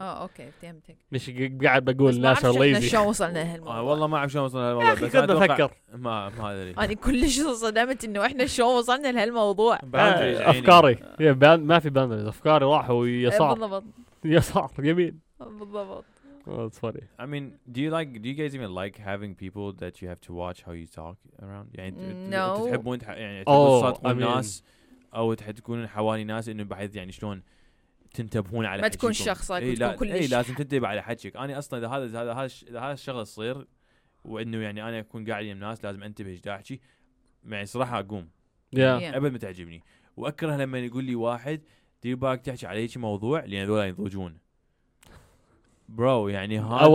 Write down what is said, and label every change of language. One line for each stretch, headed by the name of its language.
Arabic: اه اوكي فهمتك مش قاعد بقول ناس ار ليزي شو وصلنا هالموضوع والله ما اعرف شو وصلنا هالموضوع بس كنت بفكر ما ادري انا كلش صدمت انه احنا شو وصلنا لهالموضوع افكاري ما في باندرز افكاري راحوا يسار بالضبط يسار يمين بالضبط
English: that's funny I mean do you guys even like having people that you have to watch how you talk around
Arabic: يعني تحبون يعني تحبون الناس او تكون حوالي ناس انه بحيث يعني شلون تنتبهون على ما تكون شخص كل شيء لازم تنتبه على حكيك انا اصلا اذا هذا هذا هذا هذا الشغل يصير وانه يعني انا اكون قاعد يم ناس لازم انتبه ايش احكي معي صراحه اقوم ابد ما تعجبني واكره لما يقول لي واحد دير بالك تحكي على هيك موضوع لان هذول ينضجون برو يعني هذا